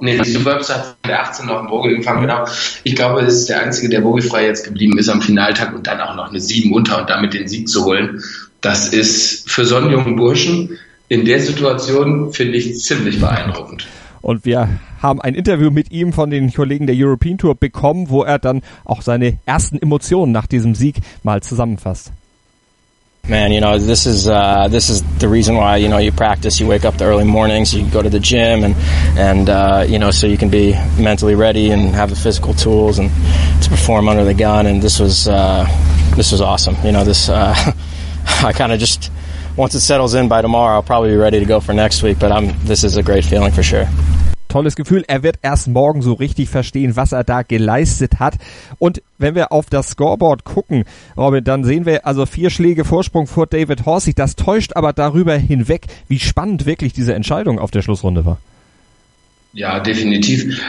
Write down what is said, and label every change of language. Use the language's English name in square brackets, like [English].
[German] Nee, Steve Webster hat in der 18 noch einen Bogey gefangen, genau. Ich glaube, er ist der Einzige, der Bogey frei jetzt geblieben ist am Finaltag und dann auch noch eine 7 unter und damit den Sieg zu holen. Das ist für so einen jungen Burschen in der Situation, finde ich, ziemlich beeindruckend. Und wir haben ein Interview mit ihm von den Kollegen der European Tour bekommen, wo er dann auch seine ersten Emotionen nach diesem Sieg mal zusammenfasst. [English] Man, you know, this is the reason why, you know, you practice, you wake up the early mornings, you go to the gym and so you can be mentally ready and have the physical tools and to perform under the gun. And this was awesome. You know, I kind of just, once it settles in by tomorrow, I'll probably be ready to go for next week, but this is a great feeling for sure. [German] Tolles Gefühl. Er wird erst morgen so richtig verstehen, was er da geleistet hat. Und wenn wir auf das Scoreboard gucken, Robin, dann sehen wir also 4 Schläge Vorsprung vor David Horsig. Das täuscht aber darüber hinweg, wie spannend wirklich diese Entscheidung auf der Schlussrunde war. Ja, definitiv.